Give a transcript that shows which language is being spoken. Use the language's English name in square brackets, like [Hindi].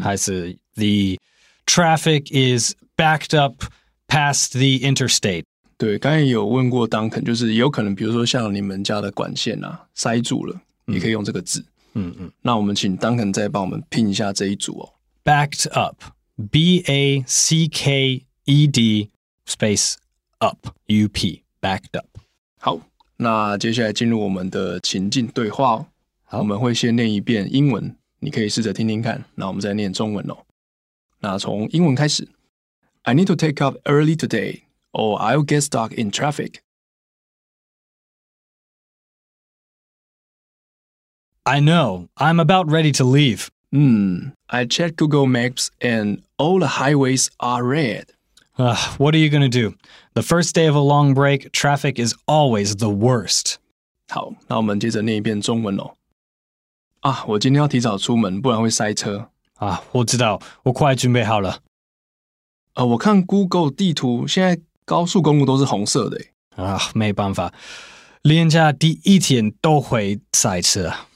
[English] 还是 the traffic is backed up past the interstate. [Chinese] 对，刚才有问过 Duncan， 就是有可能，比如说像你们家的管线啊塞住了、嗯，也可以用这个字。嗯嗯。那我们请 Duncan 再帮我们拼一下这一组哦。 [English] Backed up, B-A-C-K-E-D space up, U-P, backed up. [Chinese] 好，那接下来进入我们的情境对话哦。好我们会先念一遍英文你可以试着听听看那我们再念中文哦。那从英文开始 [English] I need to take off early today or I'll get stuck in traffic I know, I'm about ready to leave I checked Google Maps and all the highways are red What are you going to do? The first day of a long break, traffic is always the worst [Chinese] 好那我们接着念一遍中文哦。啊，我今天要提早出门，不然会塞车。啊，我知道，我快准备好了。我看 Google 地图，现在高速公路都是红色的。啊，没办法，连假第一天都会塞车。